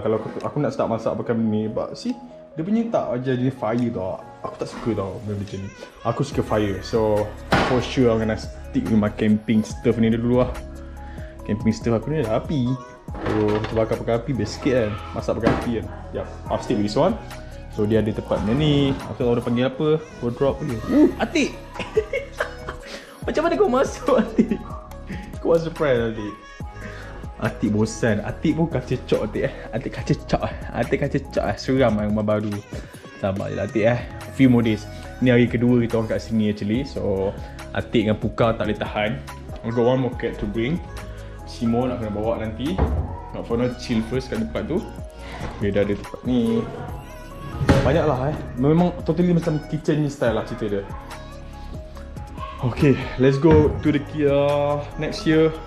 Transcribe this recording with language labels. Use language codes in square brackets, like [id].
[ms] Kalau aku nak start masak pakai benda ni. [en] But see, [ms] dia punya tak aja jadi fire tau. Aku tak suka tau benda macam ni. Aku suka fire. [en] So, for sure I'm gonna stick with my camping stuff [ms] ni dulu lah. Camping stuff aku ni dah api. So, kita bakar pakai api best sikit kan. Masak pakai api kan. [en] Yup, I'll stick with this one. [ms] So, dia ada tempat macam ni. Aku tak tahu dia panggil apa. Wardrobe dia. Atik! Macam mana kau masuk, Atik? Kau buat surprise, Atik. Atik bosan. Atik pun kacau cok, Atik. Atik kacau cok. Seram lah rumah baru. Sabar je lah, Atik. [en] Few more days. [ms] Ni hari kedua kita orang kat sini actually. So, Atik dengan Puka tak boleh tahan. [en] I got one more cat to bring. [ms] Simo nak kena bawa nanti. Nak [en] for now chill first [ms] kat tempat tu. Dia dah ada tempat ni. Banyak lah eh. Memang totally macam kitchen ni style lah cerita dia. [en] Okay, let's go to the next year.